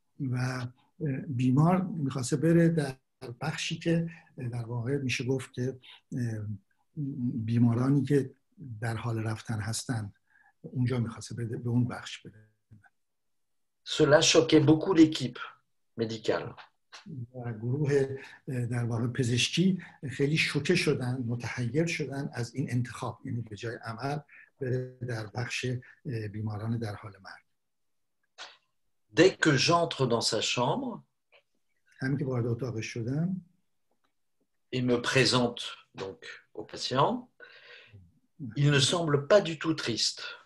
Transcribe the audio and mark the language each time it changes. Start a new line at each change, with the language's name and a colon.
Persian: و بیمار می‌خواسته بره در بخشی که در واقع میشه گفت که بیمارانی که در حال رفتن هستند اونجا می‌خواسته بره به اون بخش بره.
French: Cela choquait beaucoup l'équipe médicale.
Persian: گروه در واقع پزشکی خیلی شوکه شدن، متحیر شدن از این انتخاب، یعنی به جای عمل بره در بخش بیماران در حال مرگ.
French: Dès que j'entre dans sa chambre et me présente donc au patient, il ne semble pas du tout triste.